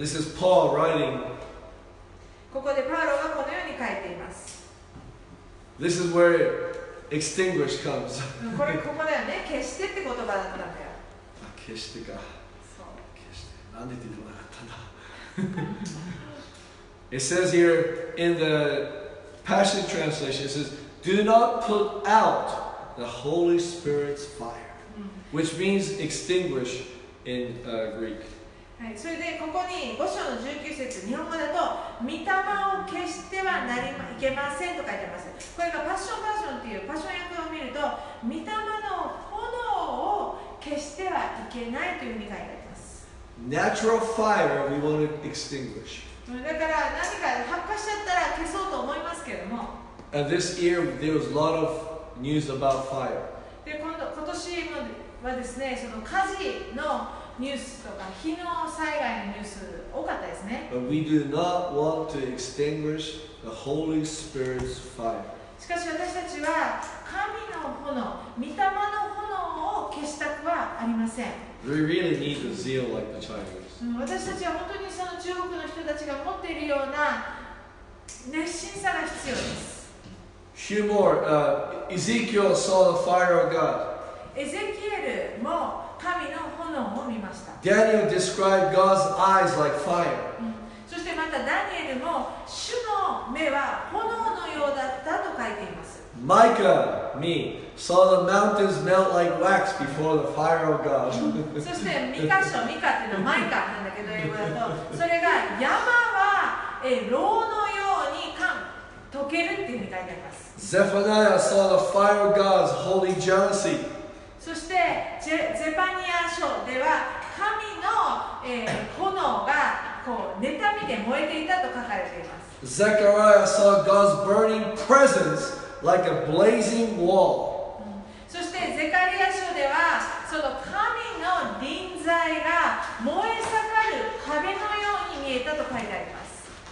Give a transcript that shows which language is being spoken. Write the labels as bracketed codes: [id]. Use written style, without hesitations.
[en] This is Paul writing. [ja] ここでパウロがこのように書いています。 This is where extinguish comes. これここだよね。消してって言葉だったんだよ。あ、消してか。そう。消して。なんで出てこなかったんだ。 [en] It says here in the Passion Translation, it says, Do not put out the Holy Spirit's fire, which means extinguish in Greek. [ja] それでここに5章の19節、日本語だと、御霊を消してはなりいけませんと書いてます。これがパッションバージョンというパッション訳を見ると、御霊の炎を消してはいけないというふうに書いてあります。 [en] Natural fire we want to extinguish. [ja] だから何か発火しちゃったら消そうと思いますけども。 [en] And this year there was a lot of news about fire. [ja] で今年はですね、その火事のニュースとか火の災害のニュース多かったですね。 [en] But we do not want to extinguish the Holy Spirit's fire. [ja] しかし私たちは神の炎、御霊の炎を消したくはありません。 [en] We really need the zeal like the Chinese. [ja] 私たちは本当にその中国の人たちが持っているような熱心さが必要です。 [en] Few more. Ezekiel saw the fire of God. [ja] エゼキエルも神の炎を見ました。 [en] Daniel described God's eyes like fire. [ja] そしてまたダニエルも主の目は炎のようだったと書いています。 [en] Micah, me, saw the mountains melt like wax before the fire of God. [ja] そしてミカ書、ミカっていうのはマイカなんだけど英語だと、それが山は炉のように溶けるっていうふうに書いてあります。 [en] Zephaniah saw the fire of God's holy jealousy. [ja] そしてゼパニア書では神の炎がこう妬みで燃えていたと書かれています。 [en] Zechariah saw God's burning presence like a blazing wall. [ja] そしてゼカリア書ではその神の臨在が燃え盛る壁のように見えたと書いてあります。